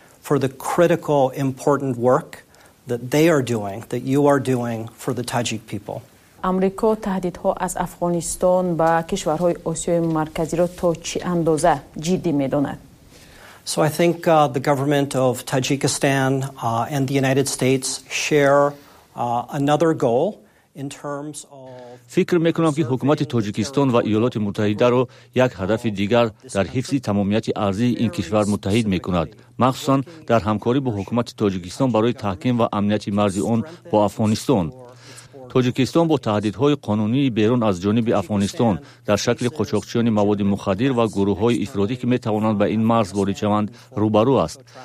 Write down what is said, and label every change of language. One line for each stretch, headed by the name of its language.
English: For the critical important work that they are doing, that you are doing for the Tajik people.
Persian: آمریکا تهدیدها از افغانستان به کشورهای آسیای مرکزی را تا چه اندازه جدی میداند؟
English: So I think the government of Tajikistan and the United States share another goal in terms of
Persian: فکر میکنم که حکومت تاجیکستان و ایالات متحده را یک هدف دیگر در حفظ تمامیت ارضی این کشور متحد میکند، مخصوصا در همکاری با حکومت تاجیکستان برای تحکیم و امنیت مرز آن با افغانستان. تاجیکستان با تهدیدهای قانونی بیرون از جانب افغانستان در شکل قاچاقچیان مواد مخدر و گروههای افراطی که میتوانند به این مرز وارد شوند روبرو است.